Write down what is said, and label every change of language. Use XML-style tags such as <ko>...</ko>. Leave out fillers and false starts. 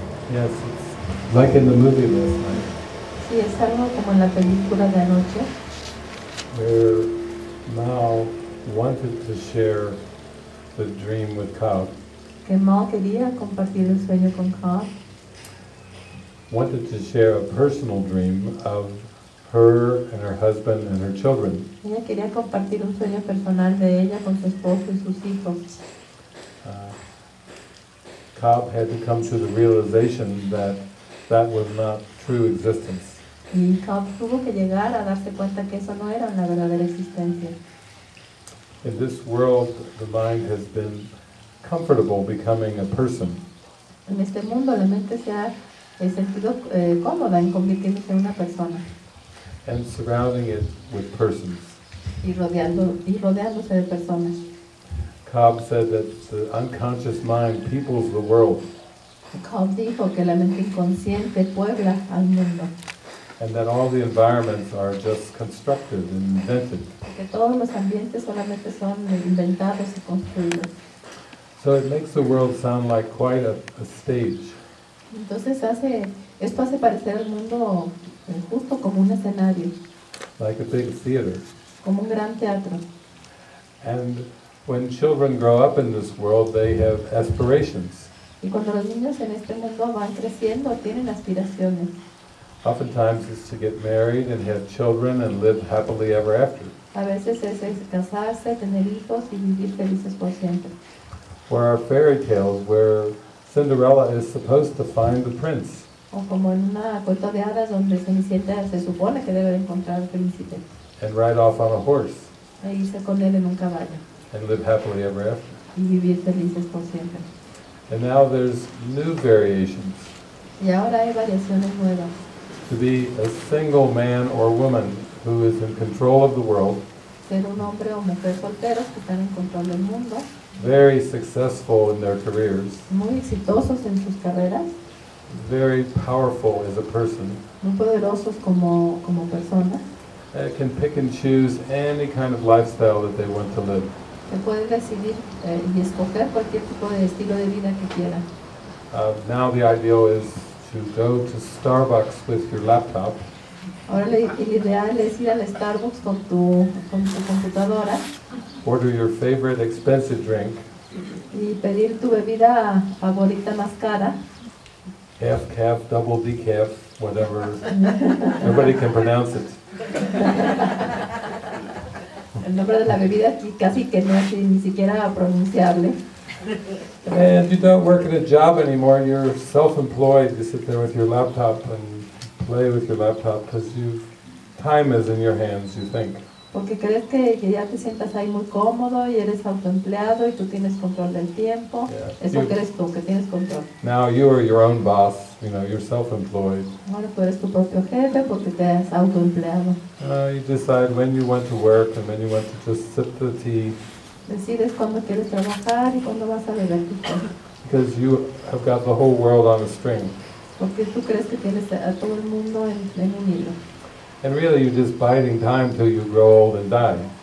<en>Yes, it's like in the movie last night.</en> <es>Sí, es algo como en la película de anoche.</es> <en>Where Mal wanted to share the dream with Cobb.</en> <es>Que Mal quería compartir el sueño con Cobb.</es> <en>Wanted to share a personal dream of her and her husband and her children.</en> <es>Ella quería compartir un sueño personal de ella con su esposo y sus hijos.</es> <en>Cobb had to come to the realization that that was not true existence.</en> <es>Y Cobb tuvo que llegar a darse cuenta que eso no era una verdadera existencia.</es> <en>In this world, the mind has been comfortable becoming a person.</en> <es>En este mundo, la mente se ha sentido cómoda en convirtiéndose en una persona.</es> <en>And surrounding it with persons.</en> <es>Y rodeándose de personas.</es> <en>Cobb said that the unconscious mind peoples the world.</en> <es>Cobb dijo que la mente inconsciente puebla al mundo.</es> <en>And that all the environments are just constructed and invented.</en> <es>Que todos los ambientes solamente son inventados y construidos.</es> <en>So it makes the world sound like quite a stage.</en> <es>Entonces esto hace parecer al mundo justo como un escenario.</es> <en>Like a big theater.</en> <es>Como un gran teatro.</es> <en>And when children grow up in this world, they have aspirations.</en> <es>Y cuando los niños en este mundo van creciendo, tienen aspiraciones.</es> <en>Oftentimes it's to get married and have children and live happily ever after.</en> <es>A veces es casarse, tener hijos y vivir felices por siempre.</es> <en>Or our fairy tales where Cinderella is supposed to find the prince.</en> <es>O como en una cuenta de hadas donde Cenicienta se supone que debe encontrar al príncipe.</es> <en>And ride off on a horse.</en> <es>E irse con él en un caballo.</es> <en>And live happily ever after.</en> <es>Y vivir felices por siempre.</es> <en>And now there's new variations.</en> <es>Y ahora hay variaciones nuevas.</es> <en>To be a single man or woman who is in control of the world.</en> <es>Ser un hombre o mujer solteros que están en control del mundo.</es> <en>Very successful in their careers.</en> <es>Muy exitosos en sus carreras.</es> <en>Very powerful as a person.</en> <es>Muy poderosos como personas.</es> <en>They can pick and choose any kind of lifestyle that they want to live.</en> <es>Que pueden decidir y escoger cualquier tipo de estilo de vida que quieran.</es> <en>Now the ideal is to go to Starbucks with your laptop.</en> <es>Ahora el ideal es ir al Starbucks con tu computadora.</es> <en>Order your favorite expensive drink.</en> <es>Y pedir tu bebida favorita más cara.</es> <en>Half calf, double decaf, whatever. Everybody can pronounce it.</en> <es>El nombre de la bebida casi que no es ni siquiera pronunciable.</es> <en>And you don't work at a job anymore. You're self-employed. You sit there with your laptop and play with your laptop because you time is in your hands, you think.</en> <es>Porque crees que ya te sientas ahí muy cómodo y eres autoempleado y tú tienes control del tiempo. Yeah. Eso crees tú, que tienes control.</es> <en>Now you are your own boss, you know, you're self-employed.</en> <es>Ahora tú eres tu propio jefe porque te has autoempleado.</es> <en>You decide when you want to work and when you want to just sip the tea.</en> <es>Decides cuando quieres trabajar y cuando vas a beber tu té.</es> <en>Because you have got the whole world on a string.</en> <es>Porque tú crees que tienes a todo el mundo en un hilo.</es> <en>And really, you're just biding time till you grow old and die.</en>